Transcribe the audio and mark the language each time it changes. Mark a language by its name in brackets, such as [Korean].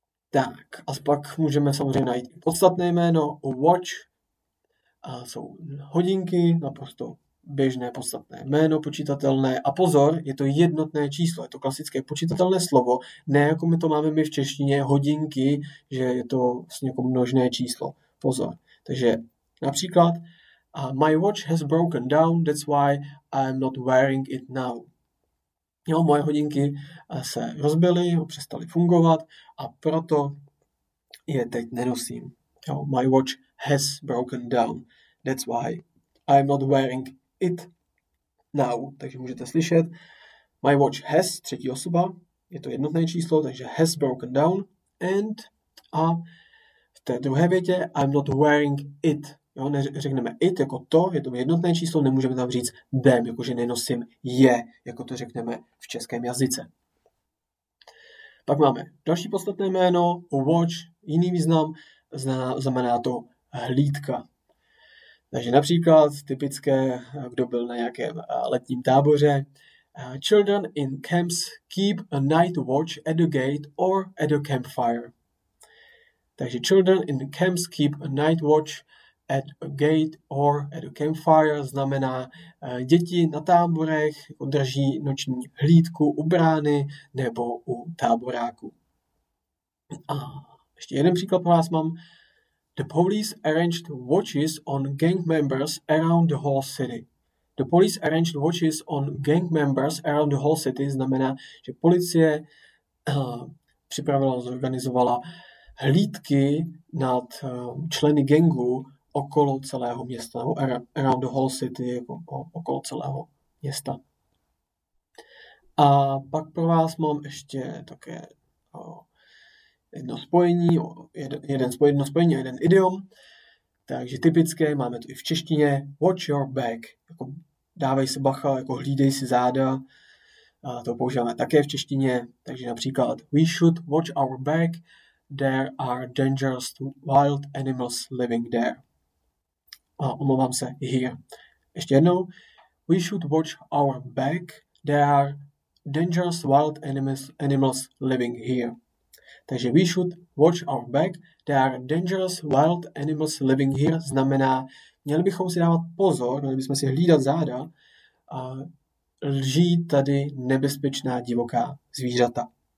[Czech] Tak, a pak můžeme samozřejmě najít podstatné jméno, watch, a jsou hodinky, naprosto běžné podstatné jméno počítatelné. A pozor, je to jednotné číslo, je to klasické počítatelné slovo, ne jako my to máme my v češtině hodinky, že je to vlastně jako množné číslo. Pozor. Takže například [English] my watch has broken down, that's why I'm not wearing it now. [Czech] Jo, moje hodinky se rozbily, přestaly fungovat a proto je teď nenosím. [English] Jo, my watch has broken down, that's why I'm not wearing it now. [Czech] Takže můžete slyšet. [English] My watch has, [Czech] třetí osoba, je to jednotné číslo, takže [English] has broken down. [Czech] And a v té druhé větě I'm not wearing it. Jo, neřekneme it jako to, je to jednotné číslo, nemůžeme tam říct them, jakože nenosím je, jako to řekneme v českém jazyce. Pak máme další podstatné jméno, watch, jiný význam, znamená to hlídka. Takže například typické, kdo byl na nějakém letním táboře. [English] Children in camps keep a night watch at the gate or at the campfire. [Czech] Takže [English] children in camps keep a night watch at a gate or at a campfire. [Czech] Znamená, děti na táborech drží noční hlídku u brány nebo u táboráku. A ještě jeden příklad pro vás mám. [English] The police arranged watches on gang members around the whole city. The police arranged watches on gang members around the whole city, [Czech] znamená, že policie připravila, zorganizovala hlídky nad členy gangu okolo celého města, [English] around the whole city, [Czech] okolo celého města. A pak pro vás mám ještě také jedno spojení a jeden idiom. Takže typické, máme to i v češtině, [English] watch your back, [Czech] jako dávej se bacha, jako hlídej si záda, a to používáme také v češtině, takže například [English] we should watch our back, there are dangerous wild animals living there. [Czech] A omlouvám se, here. Ještě jednou, [English] we should watch our back, there are dangerous wild animals living here. [Czech] Takže [English] we should watch our back, there are dangerous wild animals living here, [Czech] znamená, měli bychom si dávat pozor, měli bychom si hlídat záda, a lží tady nebezpečná divoká zvířata.